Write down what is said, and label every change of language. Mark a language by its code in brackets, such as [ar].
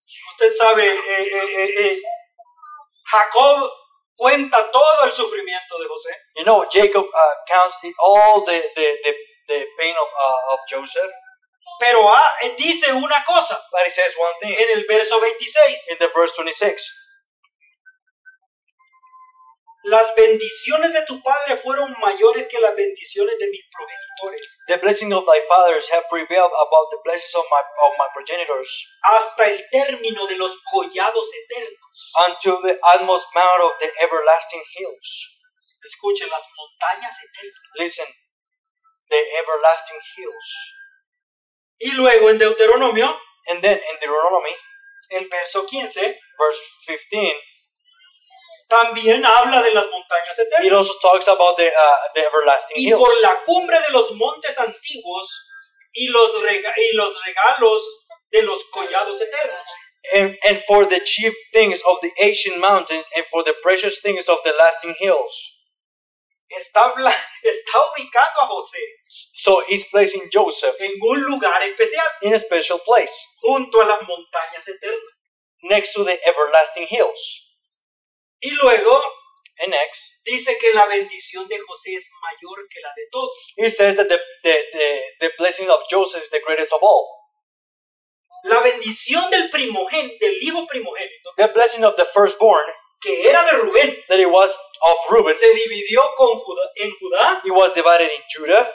[es] Usted sabe, Jacob cuenta todo el sufrimiento de José. [en] You know, Jacob counts all the pain of Joseph. [es] Pero dice una cosa. [en] But he says one thing. [es] En el verso 26. [en] In the verse 26. [es] Las bendiciones de tu padre fueron mayores que las bendiciones de mis progenitores. [en] The blessing of thy fathers have prevailed above the blessings of my progenitors. [es] Hasta el término de los collados eternos. [en] Unto the utmost mount of the everlasting hills. [es] Escuche, las montañas eternas. [en] Listen, the everlasting hills. [es] Y luego en Deuteronomio. [en] And then in Deuteronomy. [es] El verso 15. [en] Verse 15. [es] También habla de las montañas eternas. [en] It also talks about the everlasting hills. [es] Y por la cumbre de los montes antiguos y los regalos de los collados eternos. [en] And for the chief things of the ancient mountains and for the precious things of the lasting hills. [es] Está ubicando a José. [en] So he's placing Joseph [es] en un lugar especial. [en] In a special place. [es] Junto a las montañas eternas. [en] Next to the everlasting hills. [es] Y luego, [en] and next, [es] dice que la bendición de José es mayor que la de todos. [en] He says that the blessing of Joseph is the greatest of all. [es] La bendición del hijo primogénito, [en] the blessing of the firstborn, [es] que era de Rubén, [en] that it was of Reuben, [es] se dividió en Judá, [en] it was divided in Judah,